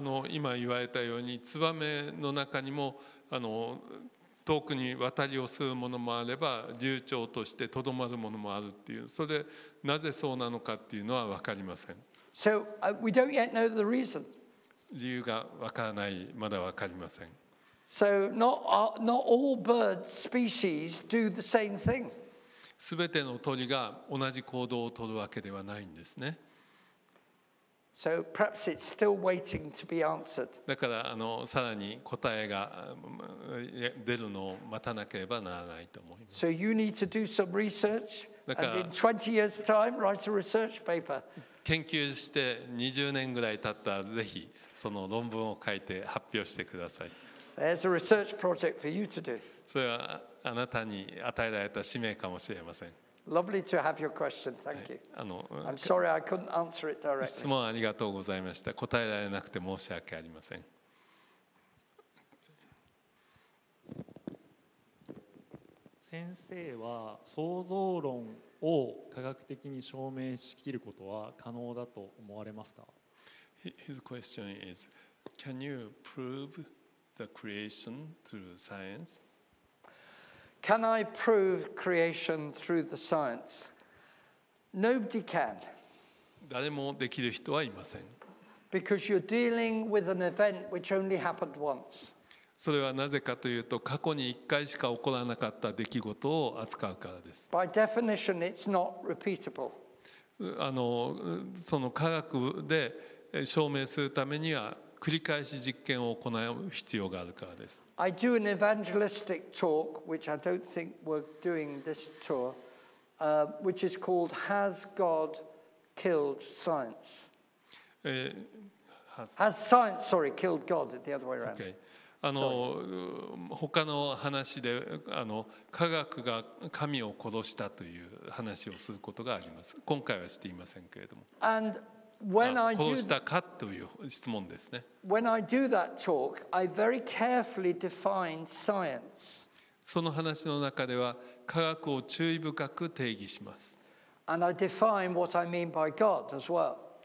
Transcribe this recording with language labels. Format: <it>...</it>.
<ja>今言われたようにツバメの中にも遠くに渡りをするものもあれば流暢としてとどまるものもあるっていう、それなぜそうなのかっていうのは分かりません。</ja> <en>So, we don't yet know the reason.</en> <ja>理由が分からない、まだ分かりません。</ja> <en>So, not all bird species do the same thing.</en> <ja>全ての鳥が同じ行動を取るわけではないんですね。</ja> <en>So perhaps it's still waiting to be answered.</en> <ja>だからさらに答えが出るのを待たなければならないと思います。</ja> <en>So you need to do some research and in 20 years' time write a research paper.</en> <ja>研究して20年ぐらい経ったらぜひその論文を書いて発表してください。</ja> <en>There's a research project for you to do.</en> <ja>それはあなたに与えられた使命かもしれません。</ja> <en>Lovely to have your question. Thank you. I'm sorry I couldn't answer it directly.</en> <ja>質問ありがとうございました。答えられなくて申し訳ありません。先生は創造論を科学的に証明しきることは可能だと思われますか？</ja> <en>His question is, can you prove the creation through science? Can I prove creation through the science? Nobody can.</en> <ja>誰もできる人はいません。</ja> <en>Because you're dealing with an event which only happened once.</en> <ja>それはなぜかというと、過去に1回しか起こらなかった出来事を扱うからです。</ja> <en>By definition, it's not repeatable.</en> <ja>その科学で証明するためには、繰り返し実験を行う必要があるからです。</ja> <en>I do an evangelistic talk, which I don't think we're doing this tour, which is called Has God Killed Science? Has science, sorry, killed God? The other way around. Okay.</en> <ja>あの他の話で、あの科学が神を殺したという話をすることがあります。今回はしていませんけれども。</ja> <en>And when I do,</en> <ja>殺したかという質問ですね。</ja> <en>When I do that talk, I very carefully define science.</en> <ja>その話の中では科学を注意深く定義します。</ja> <en>And I define what I mean by God as well.</en>